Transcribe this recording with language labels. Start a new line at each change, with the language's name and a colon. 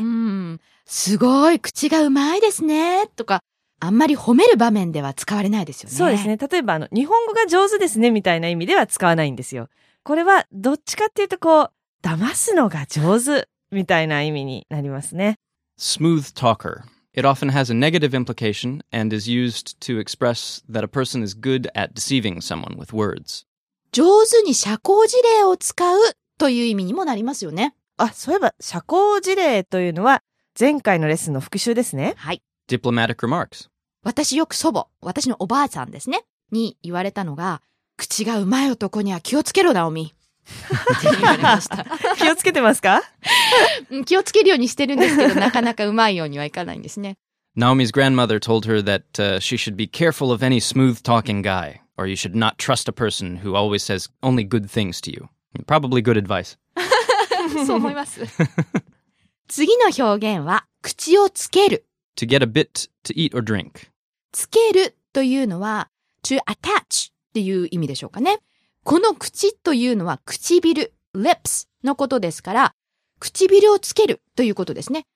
Japanese: うん、すごい口がうまいですねとかあんまり褒める場面では使われないですよね。そうですね。例えば日本語が上手ですねみたいな意味では使わないんですよ。これはどっちかっていうとこう騙すのが上手みたいな意味になりますね。
English: Smooth talker. It often has a negative implication and is used to express that a person is good at deceiving someone with words.
Japanese: 上手に社交辞令を使うという意味にもなりますよね。あ、そういえば社交辞令というのは前回のレッスンの復習ですね。はい。
English: Diplomatic remarks.
Japanese: 私よく祖母、私のおばあちゃんですね、に言われたのが、口がうまい男には気をつけろ、ナオミ。気をつけてますか？気をつけるようにしてるんですけど、なかなかうまいようにはいかないんですね。
English: Naomi's grandmother told her that she should be careful of any smooth-talking guy, or you should not trust a person who always says only good things to you. Probably good advice.
Japanese: そう思います。次の表現は、口をつける。
English: To get a bit to eat or drink.
Japanese: つけるというのは、
English: to attach
Japanese: っていう意味でしょうかね。この口というのは唇、lips のことですから、唇をつけるということですね。